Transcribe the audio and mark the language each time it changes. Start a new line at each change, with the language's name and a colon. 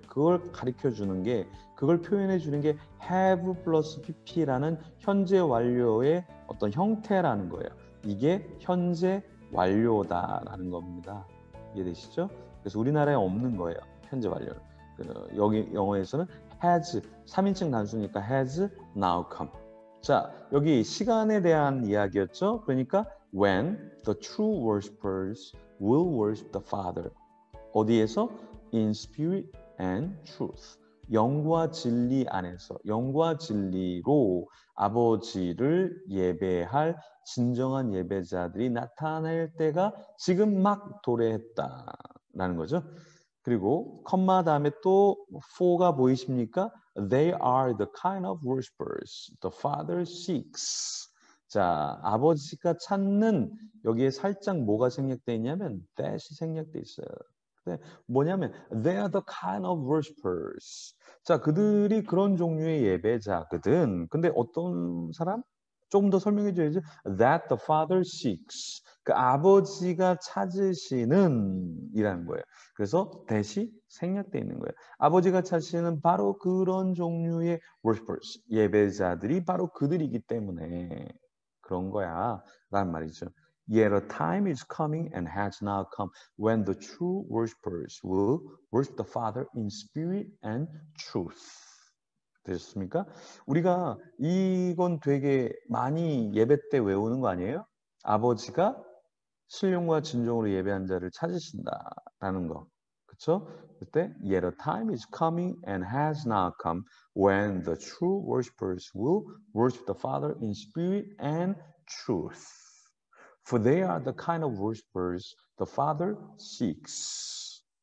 Korean: 그걸 가르쳐주는 게 그걸 표현해주는 게 have plus pp라는 현재 완료의 어떤 형태라는 거예요. 이게 현재 완료다라는 겁니다. 이해되시죠? 그래서 우리나라에 없는 거예요. 현재 완료. 여기 영어에서는 has, 3인칭 단수니까
English: has now come.
Korean: 자, 여기 시간에 대한 이야기였죠? 그러니까
English: when the true worshippers will worship the Father.
Korean: 어디에서?
English: In spirit and truth.
Korean: 영과 진리 안에서, 영과 진리로 아버지를 예배할 진정한 예배자들이 나타날 때가 지금 막 도래했다라는 거죠. 그리고 콤마 다음에 또 4가 보이십니까?
English: They are the kind of worshippers the Father seeks.
Korean: 자, 아버지가 찾는 여기에 살짝 뭐가 생략되어 있냐면 that이 생략되어 있어요. 뭐냐면
English: they are the kind of worshippers.
Korean: 자, 그들이 그런 종류의 예배자거든. 근데 어떤 사람? 조금 더 설명해 줘야지.
English: That the Father seeks.
Korean: 그 아버지가 찾으시는 이라는 거예요. 그래서 대시 생략되어 있는 거예요. 아버지가 찾으시는 바로 그런 종류의 worshippers. 예배자들이 바로 그들이기 때문에 그런 거야. 라는 말이죠.
English: Yet a time is coming and has now come when the true worshippers will worship the Father in spirit and truth.
Korean: 되셨습니까? 우리가 이건 되게 많이 예배 때 외우는 거 아니에요? 아버지가 신령과 진정으로 예배한 자를 찾으신다라는 거. 그렇죠? 그때
English: Yet a time is coming and has now come when the true worshippers will worship the Father in spirit and truth. For they are the kind of worshippers the Father seeks.